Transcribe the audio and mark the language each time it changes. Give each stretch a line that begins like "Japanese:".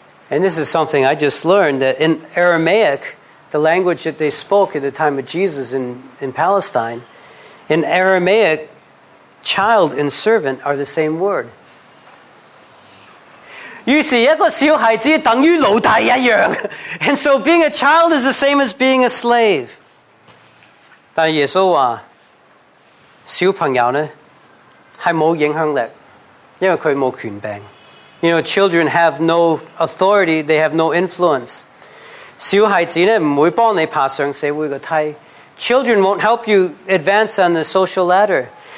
English: And this is something I just learned, that in Aramaic, the language that they spoke at the time of Jesus in Palestine, in Aramaic, child and servant are the same word.
Chinese: 于是一个小孩子等于奴隶一样.
English: And so being a child is the same as being a slave.
Chinese: 但耶稣说,小朋友呢,是没有影响力,因为他没有权柄.
English: You know, children have no authority, they have no influence.
Chinese: 小孩子呢,不会帮你爬上社会的梯.
English: Children won't help you advance on the social ladder.